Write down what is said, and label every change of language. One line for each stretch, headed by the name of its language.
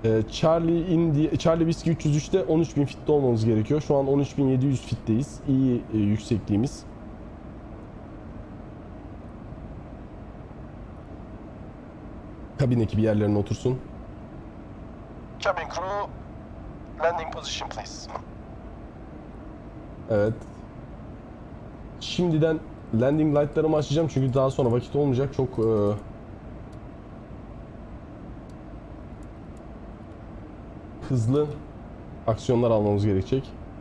Turkish: Charlie Whiskey 303'te 13.000 fitte olmamız gerekiyor. Şu an 13.700 fitteyiz. İyi yüksekliğimiz. Kabin ekibi yerlerine otursun.
English: Cabin crew, landing position please.
Turkish: Evet. Şimdiden landing light'larımı açacağım çünkü daha sonra vakit olmayacak. Çok hızlı aksiyonlar almamız gerekecek.